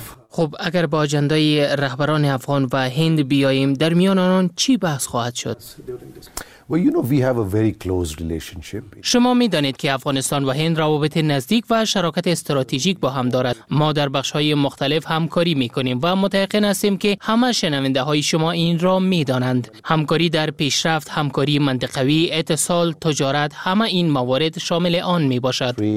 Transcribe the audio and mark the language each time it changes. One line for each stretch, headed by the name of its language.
Persian: خب اگر با اجندای رهبران افغان و هند بیاییم در میان آنان چی بحث خواهد شد؟
English: Well, you know, we have a very close relationship.
Persian: شما می دانید که افغانستان و هند روابط نزدیک و شراکت استراتژیک با هم دارد. ما در بخش های مختلف همکاری می کنیم و متأکد هستیم که همه شنونده های شما این را می دانند. همکاری در پیشرفت، همکاری منطقوی، اتصال، تجارت، همه این موارد شامل آن می باشد.